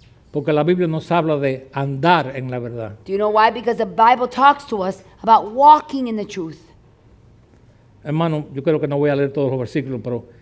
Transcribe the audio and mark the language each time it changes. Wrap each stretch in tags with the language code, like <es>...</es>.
<es>Porque la Biblia nos habla de andar en la verdad.</es> <en>Do you know why? Because the Bible talks to us about walking in the truth.</en> <es>Hermano, yo creo que no voy a leer todos los versículos, pero...</es>